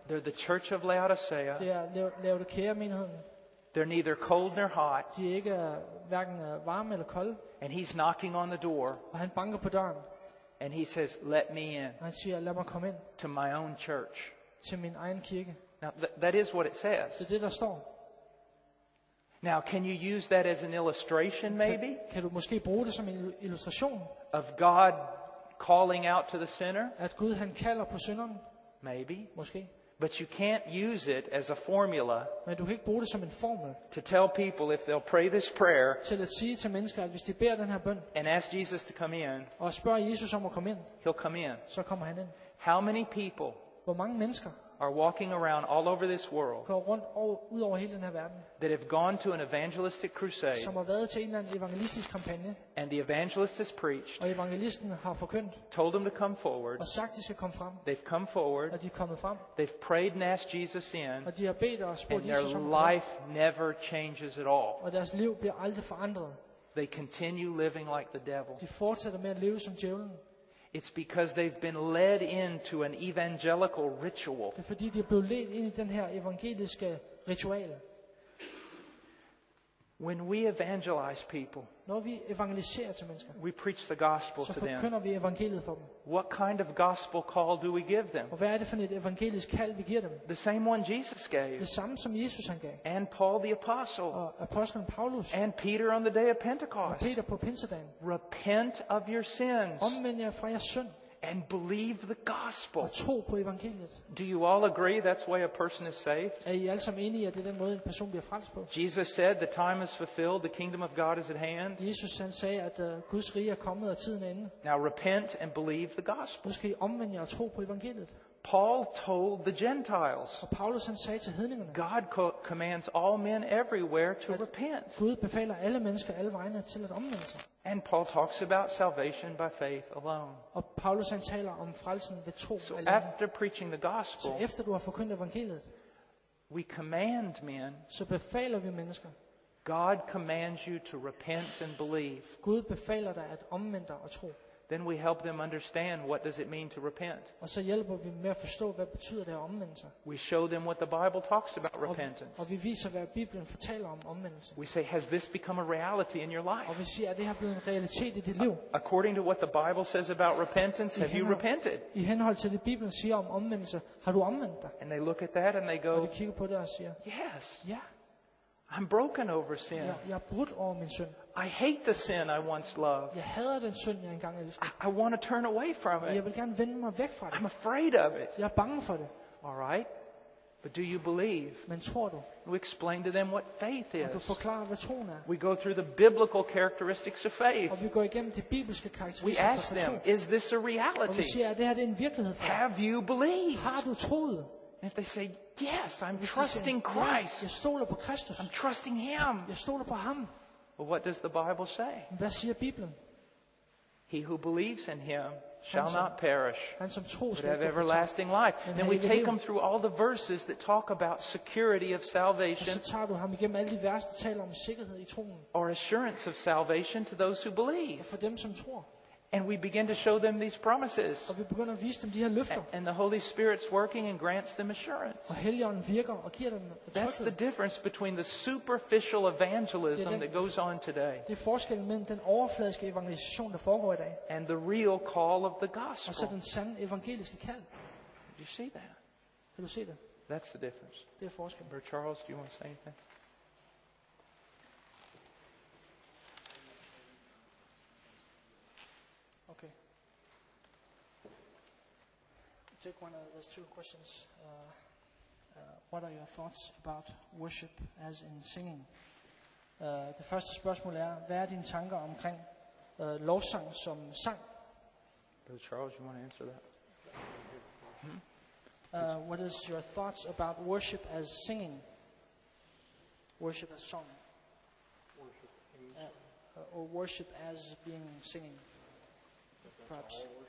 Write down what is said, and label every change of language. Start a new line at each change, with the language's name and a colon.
English: They're the church of Laodicea.
Danish: Det er Laodicea-menigheden.
English: They're neither cold nor hot.
Danish: De er ikke hverken varme eller kolde.
English: And he's knocking on the door.
Danish: Og han banker på døren.
English: And he says, "Let me in."
Danish: Han siger, lad mig komme ind.
English: To my own church.
Danish: Til min egen kirke.
English: Now that is what it says.
Danish: Det er det der står.
English: Now can you use that as an illustration, maybe?
Danish: Kan du måske bruge det som en illustration?
English: Of God calling out to the sinner.
Danish: At Gud han kalder på synderen.
English: Maybe.
Danish: Måske.
English: But you can't use it as a formula.
Danish: Men du kan ikke bruge det som en formel.
English: To tell people if they'll pray this prayer.
Danish: Til at sige til mennesker at hvis de beder den her bøn.
English: And ask Jesus to come in.
Danish: Og spørge Jesus om at komme ind.
English: He'll come in.
Danish: Så kommer han ind.
English: How many people?
Danish: Hvor mange mennesker?
English: Are walking around all over this world.
Danish: Går rundt ud over hele den her verden.
English: That have gone to an evangelistic crusade.
Danish: Som har været til en eller anden evangelistisk kampagne.
English: And the evangelist has preached.
Danish: Og evangelisten har forkyndt.
English: Told them to come forward.
Danish: Og sagt de skal komme frem.
English: They've come forward.
Danish: Og de er kommet frem.
English: They've prayed and asked Jesus in.
Danish: Og de har bedt og spurgt Jesus om.
English: And their life never changes at all.
Danish: Og deres liv bliver aldrig forandret.
English: They continue living like the devil.
Danish: De fortsætter med at leve som djævlen.
English: It's because they've been led into an evangelical ritual.
Danish: Det er fordi de er blevet ledt ind i den her evangeliske ritual.
English: When we evangelize people,
Danish: når vi evangeliserer til mennesker,
English: we preach the gospel to them.
Danish: Så forkynder vi evangeliet for dem.
English: What kind of gospel call do we give them?
Danish: Og hvad er det for et evangelisk kald vi giver dem?
English: The same one Jesus gave.
Danish: Det samme som Jesus han gav.
English: And Paul the apostle.
Danish: Og apostlen Paulus.
English: And Peter on the day of Pentecost.
Danish: Og Peter på pinsedagen.
English: Repent of your sins.
Danish: Omvend jer fra jeres synd.
English: And believe the gospel.
Danish: Og tro på evangeliet.
English: Do you all agree that's why a person is saved?
Danish: Er I alle sammen enige, at det er den måde, en person bliver frelst på?
English: Jesus said, the time is fulfilled, the kingdom of God is at hand.
Danish: Jesus han sagde, at Guds rige er kommet, og tiden er inde.
English: Now repent and believe the gospel.
Danish: Nu skal I omvende jer og tro på evangeliet.
English: Paul told the Gentiles.
Danish: Og Paulus han sagde til hedningerne.
English: God commands all men everywhere to repent.
Danish: Gud befaler alle mennesker alle vegne til at omvende sig.
English: And Paul talks about salvation by faith alone.
Danish: Og Paulus han taler om frelsen ved tro alene.
English: So after preaching the gospel.
Danish: Så efter du har forkyndt evangeliet.
English: We command men.
Danish: Så befaler vi mennesker.
English: God commands you to repent and believe.
Danish: Gud befaler dig at omvende dig og tro.
English: Then we help them understand what does it mean to repent.
Danish: Og så hjælper vi med at forstå, hvad betyder det at omvende sig.
English: We show them what the Bible talks about repentance.
Danish: Og vi viser, hvad Bibelen fortæller om omvendelse.
English: We say, has this become a reality in your life?
Danish: Og vi siger, er det her blevet en realitet i dit liv?
English: According to what the Bible says about repentance, have you repented?
Danish: I henhold til det Bibelen siger om omvendelse, har du omvendt dig?
English: And they look at that and they go.
Danish: Og de kigger på det og siger.
English: Yes.
Danish: Ja.
English: I'm broken over sin.
Danish: Jeg er brudt over min synd.
English: I hate the sin I once loved.
Danish: Jeg hader den synd jeg engang elskede.
English: I want to turn away from it.
Danish: Jeg vil gerne vende mig væk fra det.
English: I'm afraid of it.
Danish: Jeg er bange for det.
English: All right. But do you believe?
Danish: Men tror du?
English: We explain to them what faith is.
Danish: Og du forklarer hvad troen er.
English: We go through the biblical characteristics of faith.
Danish: Og vi går igennem de bibelske karakteristika.
English: We ask them, is this a reality?
Danish: Og vi siger, er det her en virkelighed for?
English: Have you believed?
Danish: Har du troet?
English: And if they say yes, I'm trusting Christ.
Danish: Jeg stoler på Kristus.
English: I'm trusting Him.
Danish: Jeg stoler på Ham.
English: Well, what does the Bible say?
Danish: Hvad siger Bibelen?
English: He who believes in Him shall not perish.
Danish: Han som tror,
English: but have everlasting life. And then we take him through all the verses that talk about security of salvation.
Danish: Så tager du ham igennem alle de vers, der taler om sikkerhed i troen.
English: Or assurance of salvation to those who believe.
Danish: For dem som tror.
English: And we begin to show them these promises.
Danish: Og vi begynder at vise dem de her løfter.
English: And the Holy Spirit's working and grants them assurance.
Danish: Og Helligånden virker og giver dem tryghed.
English: That's the difference between the superficial evangelism that goes on today.
Danish: Det er forskellen mellem den overfladiske evangelisation der foregår i dag.
English: And the real call of the gospel.
Danish: Og så den sande evangeliske kald.
English: Do you see that?
Danish: Kan du se det?
English: That's the difference.
Danish: Det er forskellen.
English: Brother Charles, do you want to say anything? Okay. I take one of those two questions. What are your thoughts about worship as in singing?
Danish: Det første spørgsmål er, hvad er dine tanker omkring lovsang som sang?
English: Brother Charles, you want to answer that? What is your thoughts about worship as singing? Worship as song. Worship as or worship as being singing. Perhaps.